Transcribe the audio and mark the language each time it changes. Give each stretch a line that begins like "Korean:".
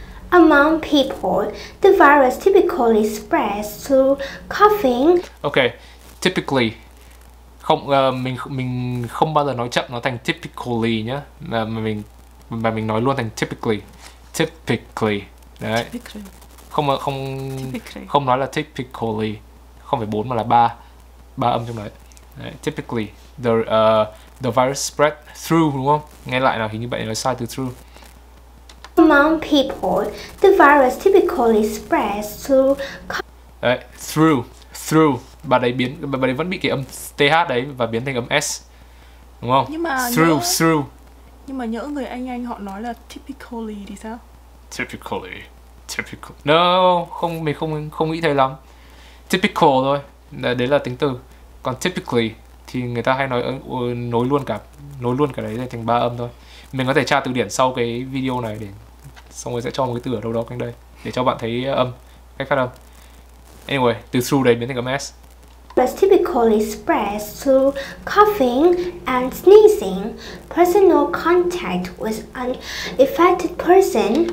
English: Among people, the virus typically spreads through coughing. Okay, typically.
Vietnamese: Không, mình không bao giờ nói chậm nó thành typically nhá. Mà mình nói luôn thành typically.
English: Typically. Đấy. Typically.
Vietnamese: Không nói là typically. Không phải 4 mà là 3. 3 âm trong đấy. Đấy. Typically.
English: The virus spread through,
Vietnamese: đúng không? Nghe lại nào, hình như bạn nói sai từ through.
English: Among people, the virus typically spreads through. Đấy, through. Through.
Vietnamese: Bà đấy vẫn bị cái âm TH đấy và biến thành âm S. Đúng không? Nhưng mà
English: through,
Vietnamese: nhớ,
English: through.
Vietnamese: Nhưng mà nhỡ người anh họ nói là typically thì sao?
English: Typically. Typical.
Vietnamese: No, không, mình không nghĩ thế lắm. Typical thôi. Đấy là tính từ. Còn typically thì người ta hay nói nối luôn cả đấy thành ba âm thôi. Mình có thể tra từ điển sau cái video này để xong rồi sẽ cho một cái từ ở đâu đó quanh đây để cho bạn thấy âm cách phát âm. Anyway, từ through đấy biến thành âm S.
English: But typically spreads through coughing and sneezing, personal contact with an infected person.